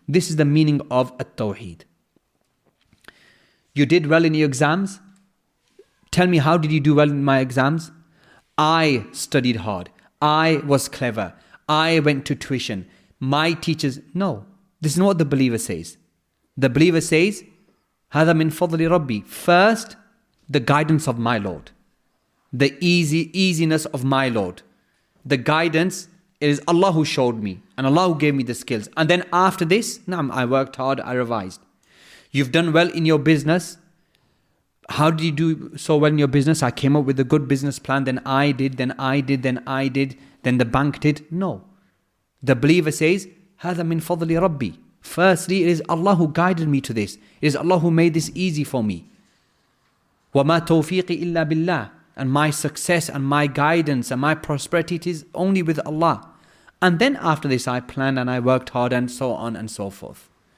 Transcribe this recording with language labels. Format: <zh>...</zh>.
<en>This is the meaning of at-tawheed. You did well in your exams. Tell me, how did you do well in my exams? I studied hard. I was clever. I went to tuition. My teachers, no. This is not what the believer says. The believer says,</en> <ar>هَذَا مِن فَضْلِ رَبِّي.</ar> <en>First, the guidance of my Lord. The easiness of my Lord. The guidance, it is Allah who showed me. And Allah who gave me the skills. And then after this, نعم, I worked hard, I revised. You've done well in your business. How did you do so well in your business? I came up with a good business plan. Then I did, then I did, then I did. Then the bank did. No. The believer says,</en> <ar>هَذَا مِن فَضْلِ رَبِّي.</ar> <en>Firstly, it is Allah who guided me to this. It is Allah who made this easy for me.</en> <ar>وَمَا تَوْفِيقِ إِلَّا بِاللَّهِ.</ar> <en>And my success and my guidance and my prosperity, it is only with Allah. And then after this, I planned and I worked hard and so on and so forth.</en>